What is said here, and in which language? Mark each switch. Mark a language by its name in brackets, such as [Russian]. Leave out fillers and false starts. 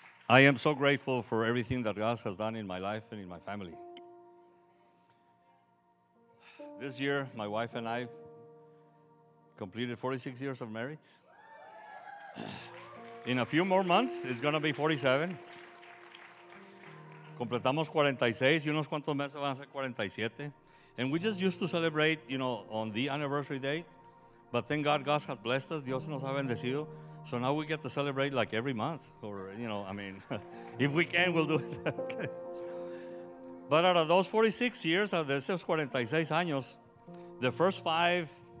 [English] I am so grateful for everything that God has done in my life and in my family. This year, my wife and I completed 46 years of marriage. In a few more months, it's going to be 47. [Spanish] Completamos 46, y unos cuantos meses van a ser 47. [English] And we just used to celebrate, you know, on the anniversary day. But thank God, God has blessed us. Dios nos ha bendecido. So now we get to celebrate like every month, or, you know, I mean, if we can, we'll do it. But out of those 46 years, de esos 46 años, the first five